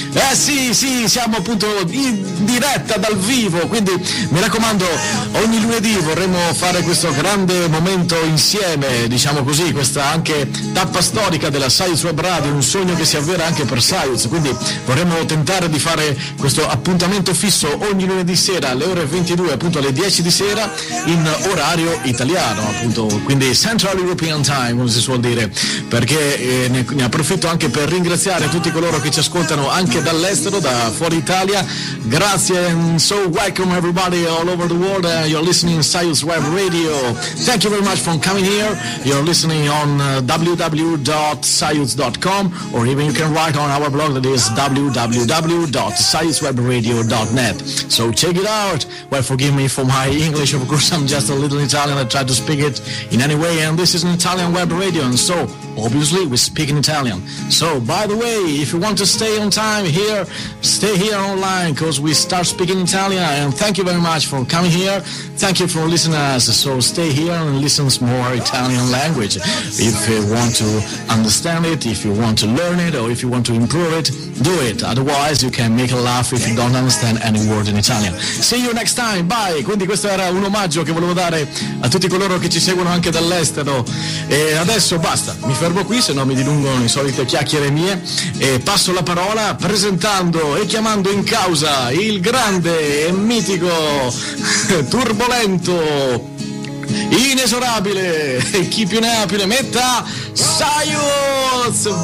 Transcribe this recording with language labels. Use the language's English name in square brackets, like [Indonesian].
[Italian] Eh sì, sì, siamo appunto in diretta dal vivo, quindi mi raccomando, ogni lunedì vorremmo fare questo grande momento insieme, diciamo così, questa anche tappa storica della Saius Web Radio, un sogno che si avvera anche per Saius, quindi vorremmo tentare di fare questo appuntamento fisso ogni lunedì sera alle ore 22, appunto alle 10 di sera, in orario italiano, appunto, quindi Central European Time, come si suol dire, perché ne approfitto anche per ringraziare tutti coloro che ci ascoltano anche dall'estero, da fuori Italia. [English] Grazie, so welcome everybody all over the world, you're listening to Saius Web Radio, thank you very much for coming here, you're listening on www.saius.com or even you can write on our blog that is www.saiuswebradio.net, so check it out. Well, forgive me for my English, of course I'm just a little Italian, I try to speak it in any way, and this is an Italian web radio, and so obviously we speak in Italian. So by the way, if you want to stay on time here, stay here online because we start speaking Italian, and thank you very much for coming here, thank you for listening to us, so stay here and listen more Italian language if you want to understand it, if you want to learn it, or if you want to improve it, do it, otherwise you can make a laugh if you don't understand any word in Italian. See you next time, bye. [Italian] Quindi questo era un omaggio che volevo dare a tutti coloro che ci seguono anche dall'estero, e adesso basta, mi fermo qui, se no mi dilungono le solite chiacchiere mie, e passo la parola presentando e chiamando in causa il grande e mitico, turbolento, inesorabile, e chi più ne ha più ne metta, Saius!